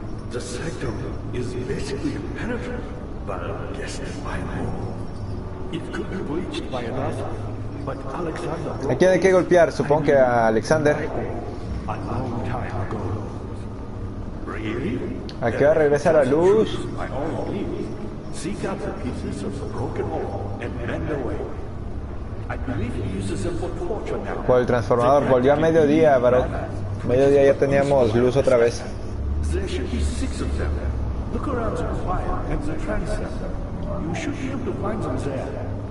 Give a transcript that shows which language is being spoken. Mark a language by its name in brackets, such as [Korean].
[English] The sector is basically impenetrable, but guess by whom? It could be breached by another, but Alexander. [Spanish] ¿A quién hay que golpear? Supongo que a Alexander. ¿A qué hora regresa la luz? [English] Seek out the pieces of the broken wall and bend away. I believe he uses them for torture now. [Spanish] Por el transformador, volvió a mediodía, pero mediodía ya teníamos luz otra vez. [English] There should be six of them. Look around the choir and the transept. You should be able to find them there.